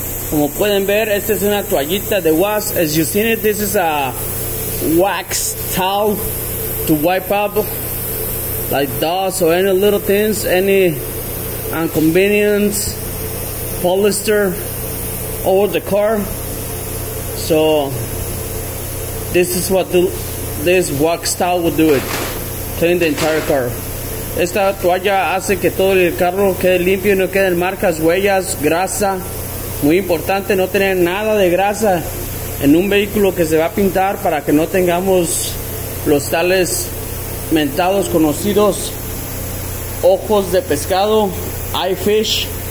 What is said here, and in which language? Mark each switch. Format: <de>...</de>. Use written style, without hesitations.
<es>Como pueden ver, esta es una toallita de wax.</es> <en>As you seen it, this is a wax towel to wipe up like dust or any little things, any inconvenience, polyester over the car. So this is what this wax towel will do, it clean the entire car.</en> <es>Esta toalla hace que todo el carro quede limpio y no queden marcas, huellas, grasa. Muy importante no tener nada de grasa en un vehículo que se va a pintar, para que no tengamos los tales mentados conocidos ojos de pescado, eye fish.</es>